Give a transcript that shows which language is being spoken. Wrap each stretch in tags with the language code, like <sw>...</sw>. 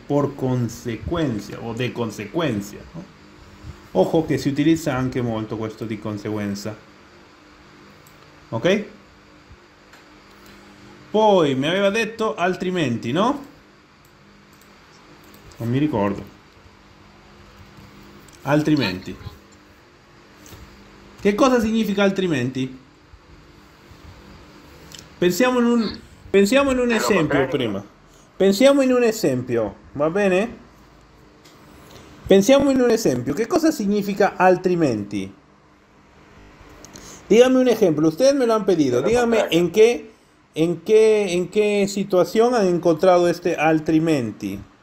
<es>Por consecuencia o de consecuencia. No?</es> <it>Ojo che si utilizza anche molto questo di conseguenza. Ok? Poi mi aveva detto altrimenti, no? Non mi ricordo. Altrimenti. Che cosa significa altrimenti? Pensiamo in un esempio prima. Pensiamo in un esempio, va bene? Pensiamo in un esempio. Che cosa significa altrimenti?</it> <es>Dígame un esempio. Ustedes me lo han pedido. Dígame en qué... ¿En qué situación han encontrado este altrimenti?</es>